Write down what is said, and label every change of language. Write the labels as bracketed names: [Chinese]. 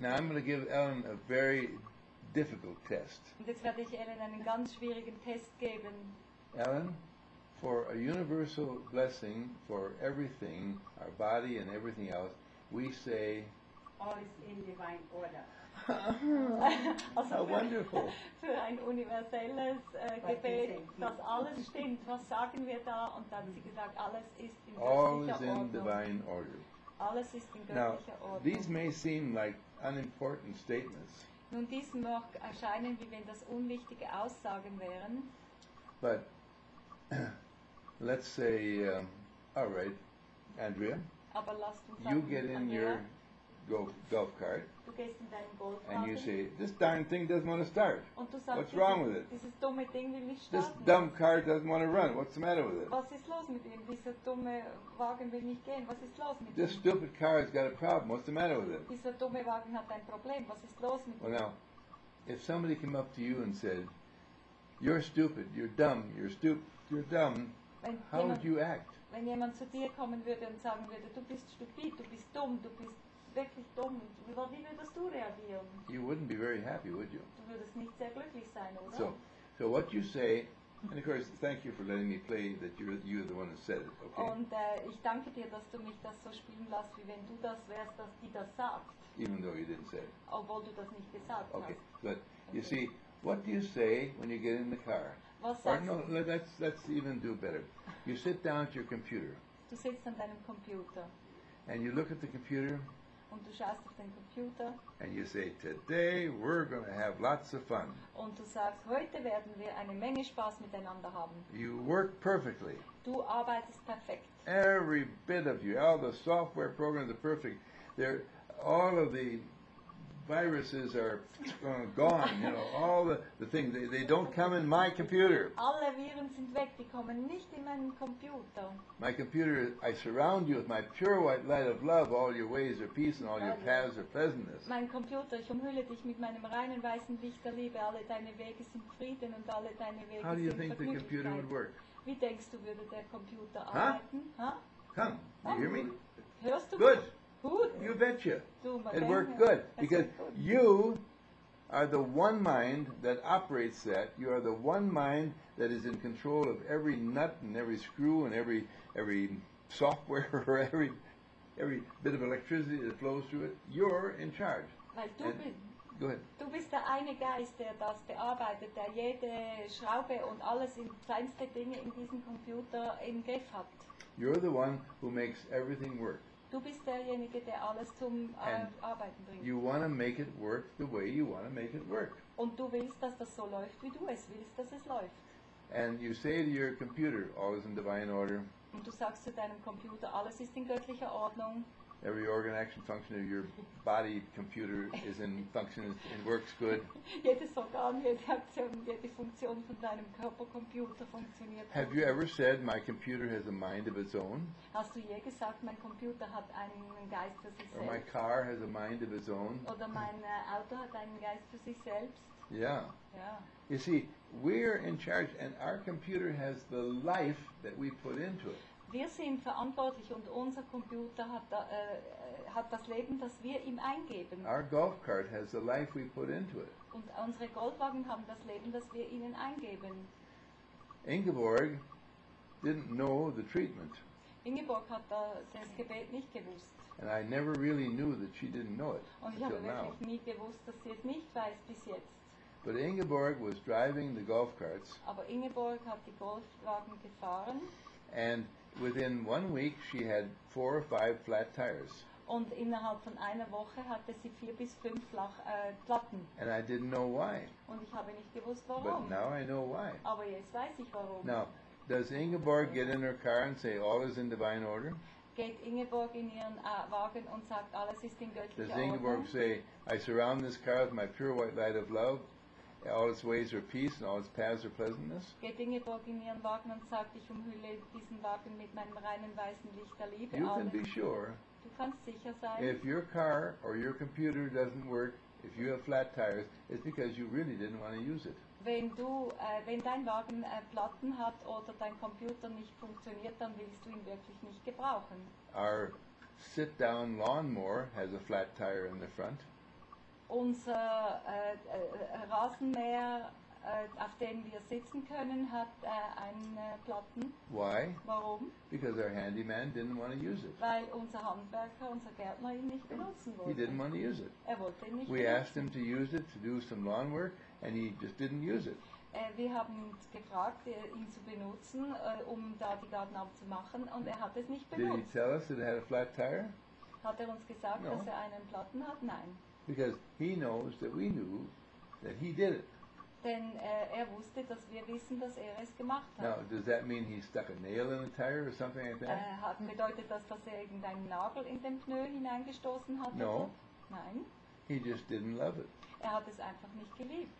[English] Now I'm going to give Ellen a very difficult test. [German] Und jetzt werde ich Ellen einen ganz schwierigen Test geben. [English] Ellen? For a universal blessing for everything, our body and everything else, we say, all is in divine order. Also how wonderful. [German] Für ein universelles Gebet, dass alles stimmt. Was sagen wir da? Und dann hat sie gesagt, alles ist in göttlicher Ordnung. Alles ist in göttlicher Ordnung. [English] These may seem like unimportant statements. [German] Nun, dies mag erscheinen, wie wenn das unwichtige Aussagen wären. [English] But let's say, all right, Andrea, [German] aber lasst uns sagen, [English] you get in Andrea, your golf cart, [German] du gehst in deinen Golfkarten, [English] and you say, this darn thing doesn't want to start. [German] Und du sagst, [English] what's wrong with it? [German] Dieses dumme Ding will nicht starten. [English] This dumb car doesn't want to run. What's the matter with it? [German] Was ist los mit ihm? Dieser dumme Wagen will nicht gehen. Was ist los mit [English] this [German] ihm? [English] This stupid car has got a problem. What's the matter with it? [German] Dieser dumme Wagen hat ein Problem. Was ist los mit ihm? [English] Well, now, if somebody came up to you and said, you're stupid, you're dumb, you're stupid, you're dumb, how would you act? [German] Wenn jemand zu dir kommen würde und sagen würde, du bist stupid, du bist dumm, du bist wirklich dumm, wie würdest du reagieren? [English] You wouldn't be very happy, would you? [German] Du würdest nicht sehr glücklich sein, oder? [English] So what you say, and of course, thank you for letting me play that you're the one who said it, okay? [German] Und ich danke dir, dass du mich das so spielen lässt, wie wenn du das wärst, dass die das sagt. [English] Even though you didn't say it. [German] Obwohl du das nicht gesagt hast. [English] Okay, good. You see, what do you say when you get in the car? Let's even do better. You sit down at your computer. [German] Du sitzt an deinem Computer. [English] And you look at the computer. [German] Und du schaust auf den Computer. [English] And you say, today we're going to have lots of fun. [German] Und du sagst, heute werden wir eine Menge Spaß miteinander haben. [English] You work perfectly. [German] Du arbeitest perfekt. [English] Every bit of you, all the software programs are perfect. They're all of the viruses are gone, you know, all the things, they don't come in my computer. [German] Alle Viren sind weg, die kommen nicht in meinen Computer. [English] My computer, I surround you with my pure white light of love, all your ways are peace and all your paths are pleasantness. [German] Mein Computer, ich umhülle dich mit meinem reinen weißen Licht der Liebe, alle deine Wege sind Frieden und alle deine Wege sind Vergnügung. [English] How do you think the computer would work? [German] Wie denkst du, würde der Computer arbeiten? [English] Huh? Come, you hear me? [German] Hörst du? [English] Good. Good. You betcha. It worked good. Because you are the one mind that operates that. You are the one mind that is in control of every nut and every screw and every software or every bit of electricity that flows through it. You're in charge. Go ahead. [German] Du bist der eine Geist, der das bearbeitet, der jede Schraube und alles in kleinste Dinge in diesem Computer im Griff hat. [English] You're the one who makes everything work. [German] Du bist derjenige, der alles zum Arbeiten bringt. [English] You want to make it work the way you want to make it work. [German] Und du willst, dass das so läuft, wie du es willst, dass es läuft. [English] And you say to your computer, all is in divine order. [German] Und du sagst zu deinem Computer, alles ist in göttlicher Ordnung. [English] Every organ, action, function of your body computer is in function and works good. [German] Jedes Organ, jede Aktion, jede Funktion von deinem Körpercomputer funktioniert. [English] Have you ever said my computer has a mind of its own? [German] Hast du je gesagt, mein Computer hat einen Geist für sich selbst? [English] Or my car has a mind of its own? [German] Oder mein Auto hat einen Geist für sich selbst? [English] Yeah. Yeah. You see, we're in charge and our computer has the life that we put into it. [German] Wir sind verantwortlich und unser Computer hat, hat das Leben, das wir ihm eingeben. [English] Our golf cart has the life we put into it. [German] Und unsere Golfwagen haben das Leben, das wir ihnen eingeben. [English] Ingeborg didn't know the treatment. [German] Ingeborg hat das Gebet nicht gewusst. [English] And I never really knew that she didn't know it. [German] Und ich habe wirklich nie gewusst, dass sie es nicht weiß bis jetzt. [English] But Ingeborg was driving the golf carts. [German] Aber Ingeborg hat die Golfwagen gefahren. [English] And within 1 week, she had 4 or 5 flat tires. [German] Und innerhalb von einer Woche hatte sie 4 bis 5 Platten. [English] And I didn't know why. [German] Und ich habe nicht gewusst, warum. [English] But now I know why. [German] Aber jetzt weiß ich, warum. [English] Now, does Ingeborg get in her car and say, all is in divine order? [German] Geht Ingeborg in ihren Wagen und sagt, alles ist in göttlicher Ordnung? [English] Does Ingeborg say, I surround this car with my pure white light of love? All its ways are peace and all its paths are pleasantness. [German] Geht Ingeborg in ihren Wagen und sagt, ich umhülle diesen Wagen mit meinem reinen weißen Licht der Liebe. [English] You can be sure. [German] Du kannst sicher sein. [English] If your car or your computer doesn't work, if you have flat tires, it's because you really didn't want to use it. [German] Wenn du, wenn dein Wagen Platten hat oder dein Computer nicht funktioniert, dann willst du ihn wirklich nicht gebrauchen. [English] Our sit-down lawnmower has a flat tire in the front. [German] Unser Rasenmäher auf den wir sitzen können, hat einen Platten. [English] Why? [German] Warum? [English] Because our handyman didn't want to use it. [German] Weil unser Handwerker, unser Gärtner ihn nicht benutzen wollte. [English] He didn't want to use it. [German] Er wollte ihn nicht benutzen. [English] We asked him to use it to do some lawn work, and he just didn't use it. [German] Wir haben gefragt, ihn zu benutzen, um da die Gartenarbeit zu machen, und er hat es nicht benutzt. [English] Did he tell us that it had a flat tire? [German] Hat er uns gesagt, dass er einen Platten hat? Nein. [English] Because he knows that we knew that he did it. [German] Denn er wusste, dass wir wissen, dass er es gemacht hat. [English] Now, does that mean he stuck a nail in the tire or something like that? [German] Hat bedeutet das, dass er irgendeinen Nagel in den Pneu hineingestoßen hat? [English] No. [German] Nein. [English] He just didn't love it. [German] Er hat es einfach nicht geliebt.